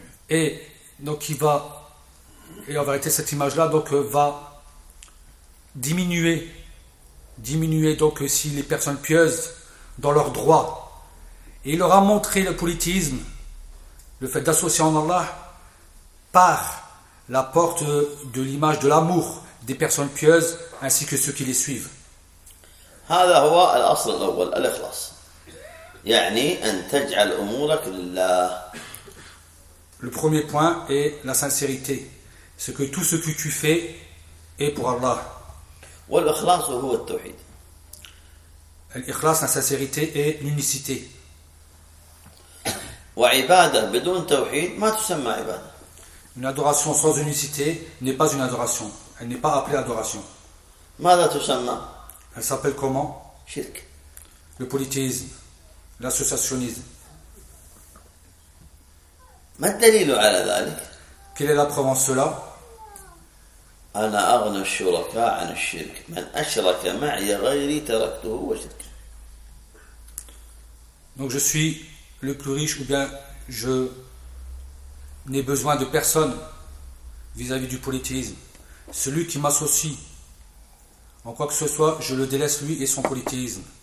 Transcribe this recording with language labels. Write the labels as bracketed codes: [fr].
[fr] Et donc il va, et en vérité cette image-là donc va diminuer donc si les personnes pieuses dans leurs droits. Et il leur a montré le politisme, le fait d'associer en Allah par la porte de l'image de l'amour des personnes pieuses ainsi que ceux qui les suivent. [ar] هذا هو الأصل الأول الإخلاص يعني أن تجعل أمورك لله. [fr] Le premier point est la sincérité, c'est que tout ce que tu fais est pour Allah. [ar] والإخلاص هو التوحيد. [fr] الإخلاص la sincérité est l'unicité. [ar] وعبادة بدون توحيد ما تسمى عبادة. [fr] Une adoration sans unicité n'est pas une adoration, elle n'est pas appelée adoration. [ar] ماذا تسمى؟ [fr] Elle s'appelle comment? [ar] Shirk. [fr] Le polythéisme, l'associationnisme. [ar] ما الدليل على ذلك? [fr] Quelle est la preuve en cela? [ar] أنا أغنى الشركاء عن الشرك، من أشرك معي غيري تركته وشرك. [fr] Donc je suis le plus riche ou bien je n'ai besoin de personne vis-à-vis du polythéisme. Celui qui m'associe en quoi que ce soit, je le délaisse lui et son polythéisme.